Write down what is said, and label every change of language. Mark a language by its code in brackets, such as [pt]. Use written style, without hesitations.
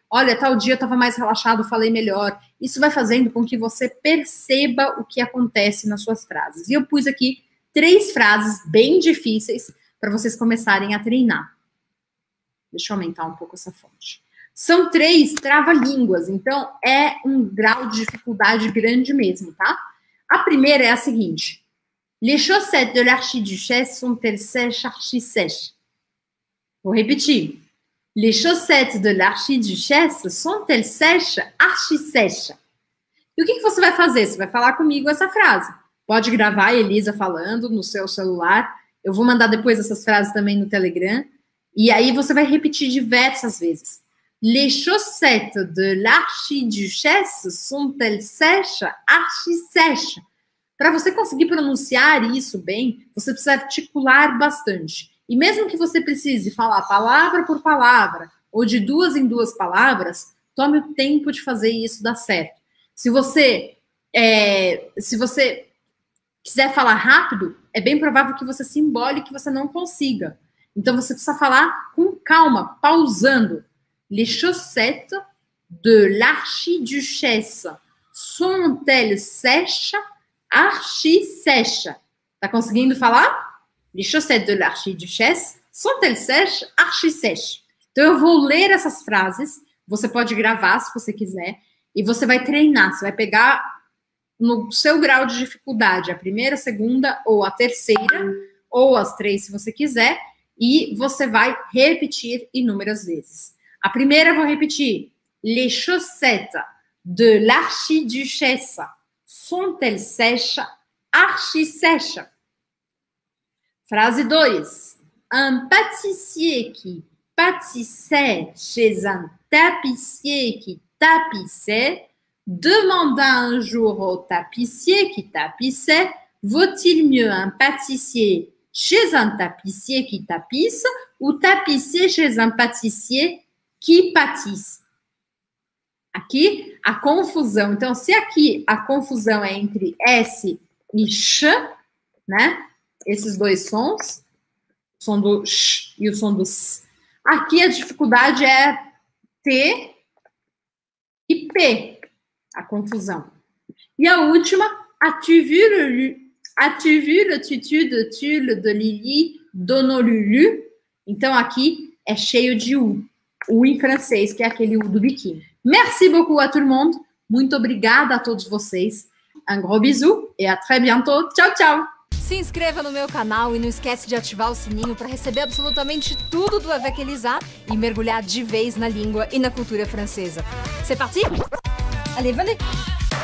[pt] Olha, tal dia eu estava mais relaxado, falei melhor. Isso vai fazendo com que você perceba o que acontece nas suas frases. E eu pus aqui 3 frases bem difíceis para vocês começarem a treinar. Deixa eu aumentar um pouco essa fonte. São 3 trava-línguas, então é um grau de dificuldade grande mesmo, tá? A primeira é a seguinte. [fr] Les chaussettes de l'archiduchesse sont elles sèches, archi sèches? [pt] Vou repetir. [fr] Les chaussettes de l'archiduchesse sont elles sèches, archi sèches? [pt] E o que você vai fazer? Você vai falar comigo essa frase. pode gravar a Elisa falando no seu celular. Eu vou mandar depois essas frases também no Telegram. E aí você vai repetir diversas vezes. [fr] Les chaussettes de l'archiduchesse sont-elles sèches? Archi-sèches. [pt] Para você conseguir pronunciar isso bem, você precisa articular bastante. E mesmo que você precise falar palavra por palavra, ou de duas em duas palavras, tome o tempo de fazer isso dar certo. Se você quiser falar rápido, é bem provável que você se embole e que você não consiga. Então você precisa falar com calma, pausando. [fr] Les chaussettes de l'archiduchesse sont-elles sèches? Archi-sèches. [pt] Tá conseguindo falar? [fr] Les chaussettes de l'archiduchesse sont-elles sèches? Archi-sèches. [pt] Então eu vou ler essas frases, você pode gravar se você quiser, e você vai treinar, você vai pegar no seu grau de dificuldade, a primeira, a segunda, ou a terceira, ou as três se você quiser, e você vai repetir inúmeras vezes. A primeira, vou repetir. [fr] Les chaussettes de l'archiduchesse sont-elles sèches? Archi-sèches. [pt] Frase 2. [fr] Un pâtissier qui pâtissait chez un tapissier qui tapissait demanda un jour au tapissier qui tapissait vaut-il mieux un pâtissier chez un tapissier qui tapisse ou tapissier chez un pâtissier qui pâtisse. [pt] Aqui, a confusão. Então, se aqui a confusão é entre S e Ch, né? Esses dois sons, o som do Sh e o som do S. Aqui a dificuldade é T e P, a confusão. E a última, [fr] as-tu vu le tutu de tulle de Lili Donolulu? [pt] Então, aqui é cheio de U. U em francês, que é aquele U do biquíni. [fr] Merci beaucoup à tout le monde. [pt] Muito obrigada a todos vocês. [fr] Un gros bisou et à très bientôt. [pt] Tchau, tchau. Se inscreva no meu canal e não esquece de ativar o sininho para receber absolutamente tudo do Avec Elisa e mergulhar de vez na língua e na cultura francesa. [fr] C'est parti? Allez, venez!